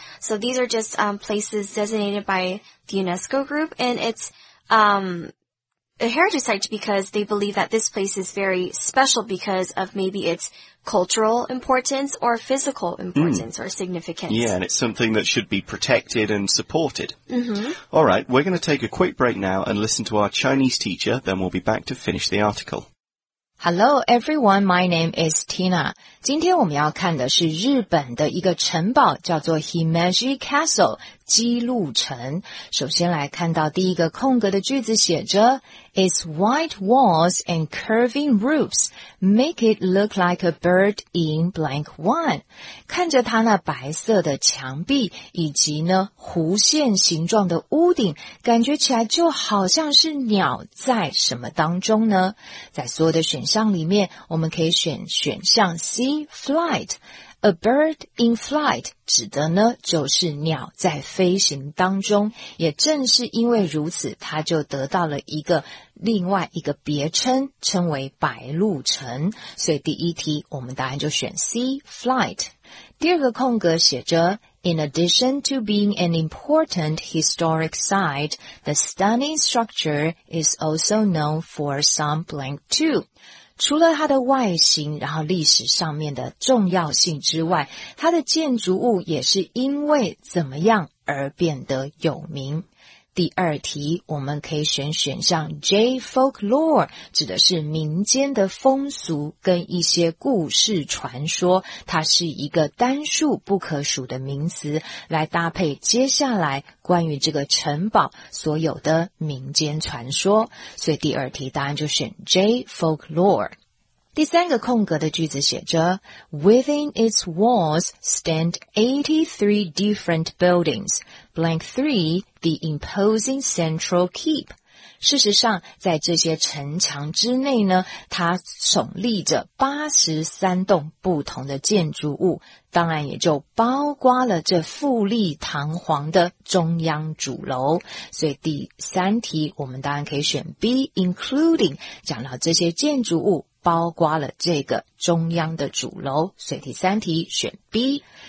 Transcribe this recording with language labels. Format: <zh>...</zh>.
<en>So these are just places designated by the UNESCO group, and it's a heritage site because they believe that this place is very special because of maybe its cultural importance or physical importance or significance. Yeah, and it's something that should be protected and supported. Mm-hmm. All right, we're going to take a quick break now and listen to our Chinese teacher, then we'll be back to finish the article. Hello, everyone. My name is Tina.</en> <zh>今天我们要看的是日本的一个城堡，叫做 Himeji Castle, 姬路城。首先来看到第一个空格的句子写着</zh> <en>Its white walls and curving roofs make it look like a bird in blank one.</en> <zh>看着它那白色的墙壁以及呢弧线形状的屋顶，感觉起来就好像是鸟在什么当中呢？在所有的选项里面，我们可以选项 C,Flight,</zh> <en>a bird in flight</en> <zh>指的呢就是鸟在飞行当中，也正是因为如此，它就得到了一个另外一个别称，称为白鹭城。所以第一题我们答案就选 C, flight。第二个空格写着</zh> <en>In addition to being an important historic site, the stunning structure is also known for some blank too.</en> <zh>除了它的外形，然后历史上面的重要性之外，它的建筑物也是因为怎么样而变得有名。第二题，我们可以选项 J folklore, 指的是民间的风俗跟一些故事传说，它是一个单数不可数的名词，来搭配接下来关于这个城堡所有的民间传说。所以第二题答案就选 J folklore。第三个空格的句子写着</zh> <en>Within its walls stand 83 different buildings, blank 3, the imposing central keep.</en> <zh>事实上在这些城墙之内呢，它耸立着83栋不同的建筑物，当然也就包括了这富丽堂皇的中央主楼。所以第三题我们当然可以选 B, including, 讲到这些建筑物包括了这个中央的主楼，所以第三题选 B。</zh>